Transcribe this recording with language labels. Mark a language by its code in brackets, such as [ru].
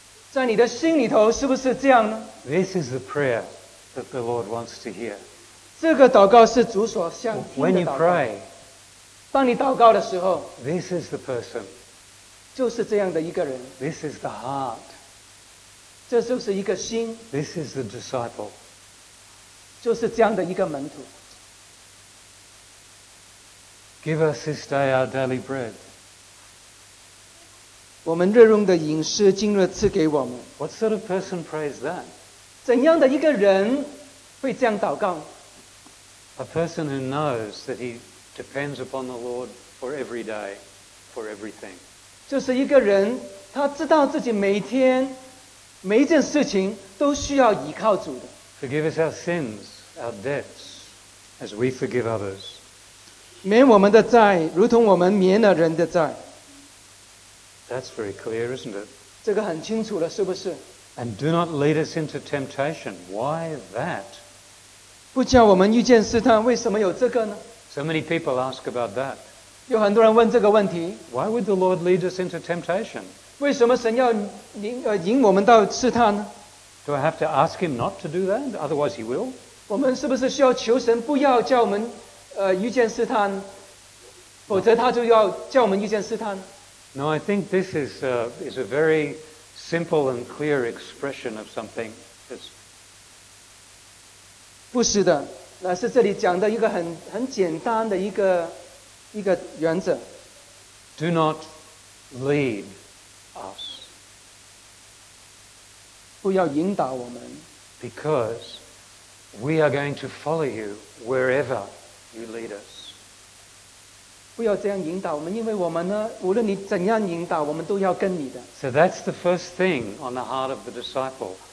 [zh] 在你的心里头是不是这样呢？ [en] This is the prayer that the Lord wants to hear. [zh] 这个祷告是主所想听的祷告。 [en] When you pray, [zh] 当你祷告的时候， [en] This is the person. [zh] 就是这样的一个人。 [en] This is the heart. [zh] 这就是一个心。 [en] This is the disciple. [zh] 就是这样的一个门徒。 [en] Give us this day our daily bread. [zh] 我们日用的饮食今日赐给我们。 [en] What sort of person prays that? [zh] 怎样的一个人会这样祷告？ [en] A person who knows that he depends upon the Lord for every day, for everything. [zh] 就是一个人，他知道自己每天，每一件事情都需要依靠主的。 [en] Forgive us our sins, our debts, as we forgive others. [zh] 免我们的债，如同我们免了人的债。 [en] That's very clear, isn't it? [zh] 这个很清楚了，是不是？ [en] And do not lead us into temptation. Why that? [zh] 不叫我们遇见试探，为什么有这个呢？ [en] So many people ask about that. [zh] 有很多人问这个问题。 [en] Why would the Lord lead us into temptation? [zh] 为什么神要引我们到试探呢？ [en] Do I have to ask him not to do that? Otherwise he will. [zh] 我们是不是需要求神不要叫我们遇见试探，否则他就要叫我们遇见试探。 [en] No, I think this is a very simple and clear expression of something. It's... [zh] 不是的, 是这里讲的一个很简单的一个原则。 [en] Do not lead us. [zh] 不要引导我们。 [en] Because we are going to follow you wherever you lead us. [zh] 不要这样引导我们，因为我们呢，无论你怎样引导，我们都要跟你的。 [en] So that's the first thing on the heart of the disciple.